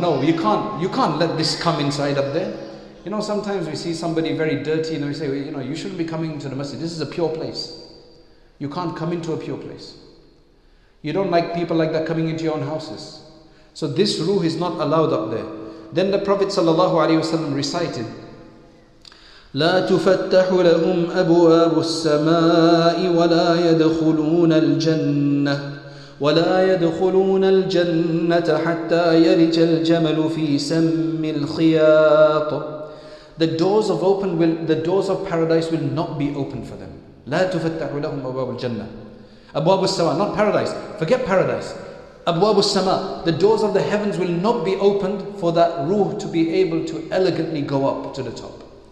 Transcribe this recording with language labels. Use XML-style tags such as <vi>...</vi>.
<en>No, you can't let this come inside up there. You know, sometimes we see somebody very dirty and we say, well, you know, you shouldn't be coming to the masjid. This is a pure place. You can't come into a pure place. You don't like people like that coming into your own houses. So this ruh is not allowed up there. Then the Prophet ﷺ recited,</en> <ar>لَا تُفَتَّحُ لَهُمْ أَبْوَابُ السَّمَاءِ وَلَا يَدْخُلُونَ الْجَنَّةِ وَلَا يَدْخُلُونَ الْجَنَّةَ حَتَّى يَلِجَ الْجَمَلُ فِي سَمِّ الْخِيَاطُ.</ar> <en>The doors of paradise will not be open for them.</en> <ar>لَا تُفَتَّحُ لَهُمْ أَبْوَابُ الْجَنَّةِ. أَبْوَابُ السَّمَاءِ,</ar> <en>not paradise, forget paradise. أَبْوَابُ السَّمَاءِ, the doors of the heavens will not be opened for that ruh to be able to elegantly go up to the top.</en>